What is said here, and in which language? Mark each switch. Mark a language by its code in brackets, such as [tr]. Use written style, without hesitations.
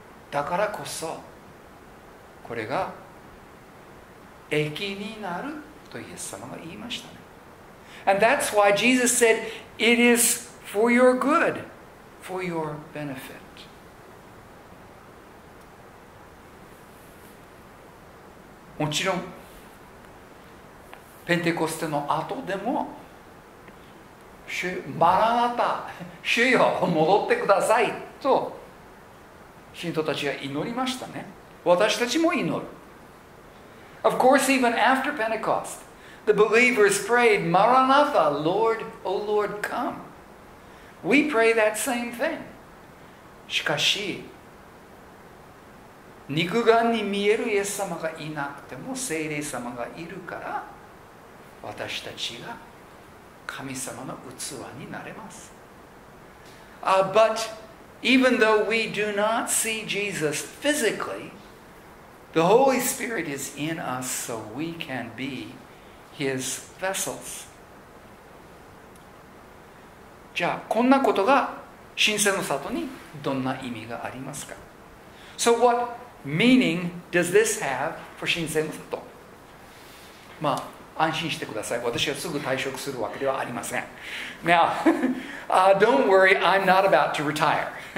[ja] だからこそこれが益になるとイエス様が言いましたね。 [en] And that's why Jesus said, it is for your good, for your benefit. [ja] もちろんペンテコステの後でもマラナタ、主よ、戻ってくださいと信徒たちは祈りましたね。私たちも祈る。 [en] Of course, even after Pentecost, the believers prayed, Maranatha, Lord, O Lord, come. We pray that same thing. [ja] しかし、肉眼に見えるイエス様がいなくても聖霊様がいるから、私たちが神様の器になれます。 [en] But even though we do not see Jesus physically, the Holy Spirit is in us so we can be His vessels. [ja] じゃあこんなことが神聖の里にどんな意味がありますか? [en] So what meaning does this have for 神聖の里? [ja] まあ安心してください。私はすぐ退職するわけではありません。 [en] Now, don't worry, I'm not about to retire.